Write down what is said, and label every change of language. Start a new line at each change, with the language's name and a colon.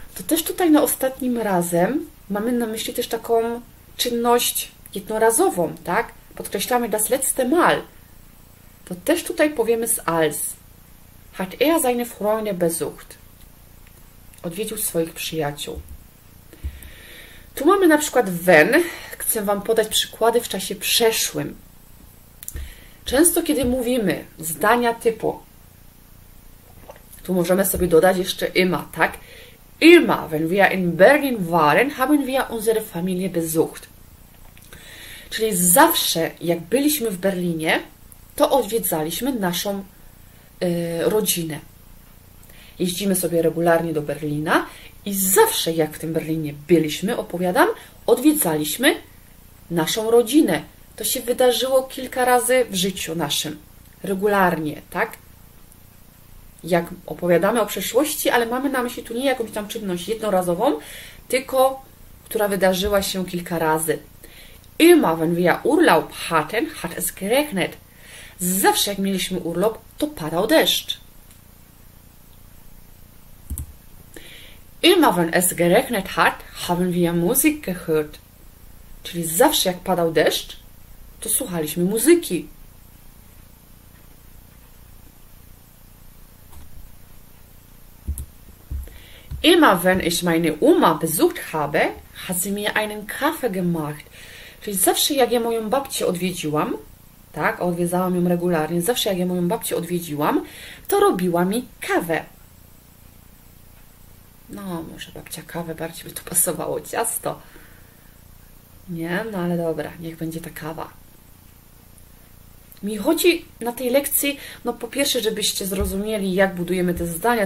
Polish: To też tutaj na ostatnim razem mamy na myśli też taką czynność jednorazową, tak? Podkreślamy
German: das letzte Mal.
Polish: To też tutaj powiemy z als.
German: Hat seine Freunde besucht.
Polish: Odwiedził swoich przyjaciół. Tu mamy na przykład wenn. Chcę Wam podać przykłady w czasie przeszłym. Często, kiedy mówimy zdania typu, tu możemy sobie dodać jeszcze immer, tak?
German: Immer, wenn wir in Berlin waren, haben wir unsere Familie besucht.
Polish: Czyli zawsze, jak byliśmy w Berlinie, to odwiedzaliśmy naszą rodzinę. Jeździmy sobie regularnie do Berlina i zawsze, jak w tym Berlinie byliśmy, opowiadam, odwiedzaliśmy naszą rodzinę. To się wydarzyło kilka razy w życiu naszym. Regularnie, tak? Jak opowiadamy o przeszłości, ale mamy na myśli tu nie jakąś tam czynność jednorazową, tylko która wydarzyła się kilka razy.
German: Immer wenn wir Urlaub hatten, hat es geregnet.
Polish: Zawsze jak mieliśmy urlop, to padał deszcz.
German: Immer wenn es geregnet hat, haben wir Musik gehört.
Polish: Czyli zawsze jak padał deszcz, to słuchaliśmy muzyki.
German: Immer wenn ich meine Oma besucht habe, hat sie mir einen Kaffee gemacht.
Polish: Czyli zawsze jak ja moją babcię odwiedziłam, tak, odwiedzałam ją regularnie, zawsze jak ja moją babcię odwiedziłam, to robiła mi kawę. No, może babcia kawę, bardziej by to pasowało ciasto. Nie? No ale dobra, niech będzie ta kawa. Mi chodzi na tej lekcji, no po pierwsze, żebyście zrozumieli, jak budujemy te zdania.